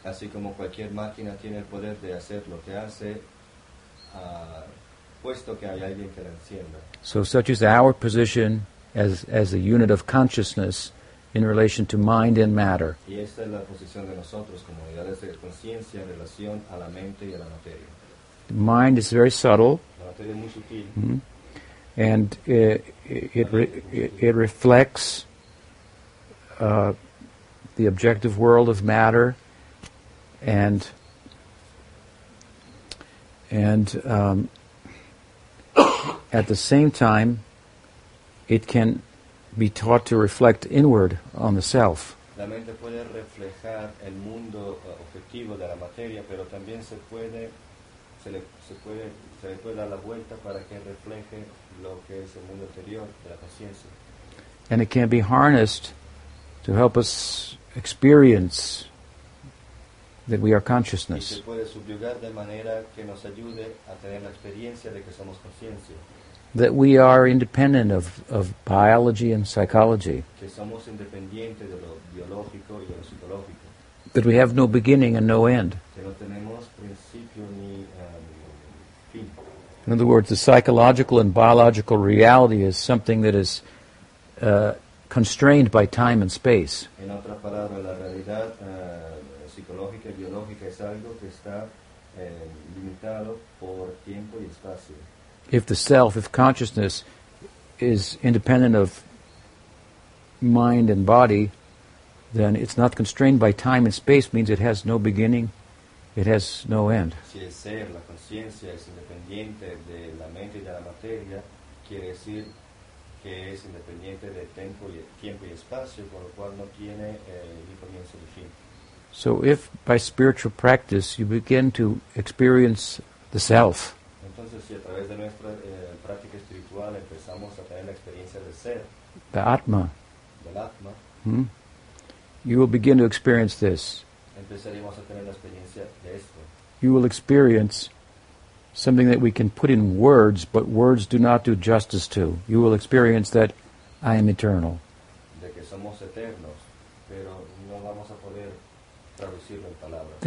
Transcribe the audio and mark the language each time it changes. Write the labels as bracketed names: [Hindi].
[Spanish] Así como cualquier máquina tiene el poder de hacer lo que hace, puesto que hay alguien que la encienda. [English] So such is our position as a unit of consciousness in relation to mind and matter. [Spanish] Y esta es la posición de nosotros como unidades de conciencia en relación a la mente y a la materia. [English] The mind is very subtle. [Spanish] La materia es muy sutil. [English] And it reflects the objective world of matter and at the same time it can be taught to reflect inward on the self. [Spanish] La mente puede reflejar el mundo objetivo de la materia, pero también se le puede dar la vuelta para que refleje lo que es el mundo interior de la conciencia. [English] And it can be harnessed to help us experience that we are consciousness. [Spanish] Y se puede subyugar de manera que nos ayude a tener la experiencia de que somos conciencia. [English] That we are independent of biology and psychology. [Spanish] Que somos independientes de lo biológico y de lo psicológico. [English] That we have no beginning and no end. [Spanish] Que no tenemos principio ni fin. [English] In other words, the psychological and biological reality is something that is constrained by time and space. [Spanish] En otra palabra, la realidad psicológica y biológica es algo que está limitado por tiempo y espacio. [English] If the self, if consciousness, is independent of mind and body, then it's not constrained by time and space, means it has no beginning, it has no end. [Spanish] Si el ser, la conciencia, es independiente de la mente y de la materia, quiere decir que es independiente de tiempo y espacio, por lo cual no tiene ni comienzo ni fin. [English] So if by spiritual practice you begin to experience the self, [Spanish] entonces, si a través de nuestra práctica espiritual empezamos a tener la experiencia del ser, [English] the Atma, [Spanish] del Atma, [English] you will begin to experience this. [Spanish] Empezaremos a tener la experiencia de esto. [English] You will experience something that we can put in words, but words do not do justice to. You will experience that I am eternal. [Spanish] De que somos eternos, pero no vamos a poder traducirlo en palabras.